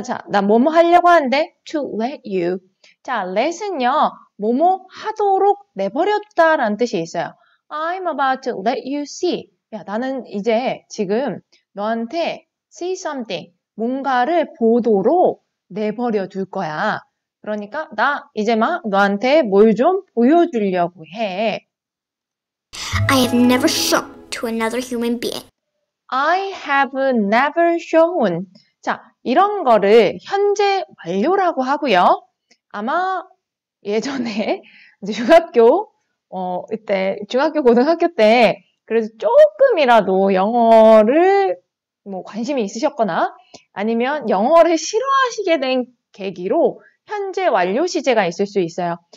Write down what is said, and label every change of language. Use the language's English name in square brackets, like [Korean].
[Korean] 나 뭐뭐 하려고 하는데 [English] to let you. [Korean] 자, let은요, 뭐뭐 하도록 내버렸다라는 뜻이 있어요. [English] I'm about to let you see. [Korean] 야, 나는 이제 지금 너한테 [English] see something, [Korean] 뭔가를 보도록 내버려 둘 거야. 그러니까 나 이제 막 너한테 뭘좀 보여주려고 해. [English] I have never shown to another human being. I have never shown. [Korean] 자, 이런 거를 현재 완료라고 하고요. 아마 예전에 중학교, 이때, 중학교, 고등학교 때, 그래도 조금이라도 영어를 뭐 관심이 있으셨거나 아니면 영어를 싫어하시게 된 계기로 현재 완료 시제가 있을 수 있어요.